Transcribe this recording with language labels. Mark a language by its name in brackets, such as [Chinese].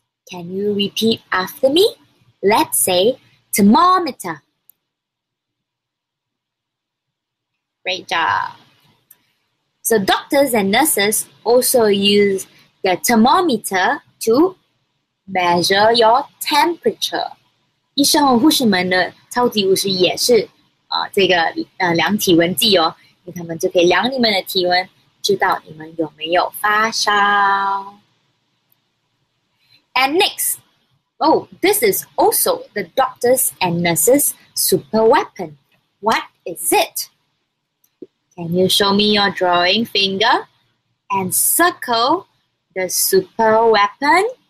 [English] Can you repeat after me? Let's say thermometer. Great job. So doctors and nurses also use the thermometer to measure your temperature. [Chinese] 医生和护士们的超级武士也是这个量体温计哦, 他们就可以量你们的体温, 知道你们有没有发烧. [English] And next, oh, this is also the doctor's and nurse's super weapon. What is it? Can you show me your drawing finger and circle the super weapon?